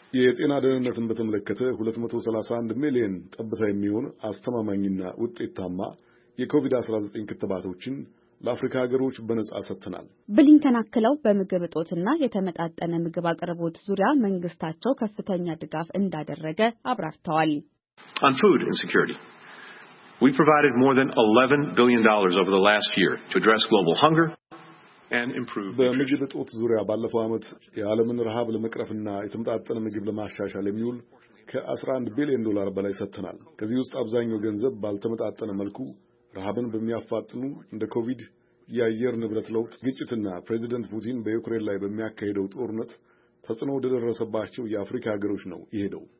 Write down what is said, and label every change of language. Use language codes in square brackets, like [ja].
[am] የጤና ደህንነትን በተመለከተ 231 ሚሊዮን ጠብታ የሚሆን አስተማማኝና ውጤታማ የኮቪድ-19 ክትባቶችን ለአፍሪካ ሀገሮች በነጻ ሰጥተናል። ብሊንከን አክለው በምግብ እጦትና የተመጣጠነ ምግብ አቅርቦት ዙሪያ መንግስታቸው ከፍተኛ ድጋፍ እንዳደረገ አብራርተዋል። [en] On food insecurity. We provided more than $11 billion over the last year to address global hunger and improve [am] በምግብ እጦት ዙሪያ ባለፈው አመት የዓለምን ረሃብ ለመቅረፍና የተመጣጠነ ምግብ ለማሻሻል የሚውል ከ11 ቢሊዮን ዶላር በላይ ሰጥተናል። ከዚህ ውስጥ አብዛኛው ገንዘብ ባልተመጣጠነ መልኩ ረሃብን በሚያፋጥኑ እንደ ኮቪድ፣ የአየር ንብረት ለውጥ ግጭትና ፕሬዚደንት ፑቲን በዩክሬን ላይ በሚያካሄደው ጦርነት ተጽዕኖ ደረሰባቸው የአፍሪካ ሀገሮች ነው ይሄደው።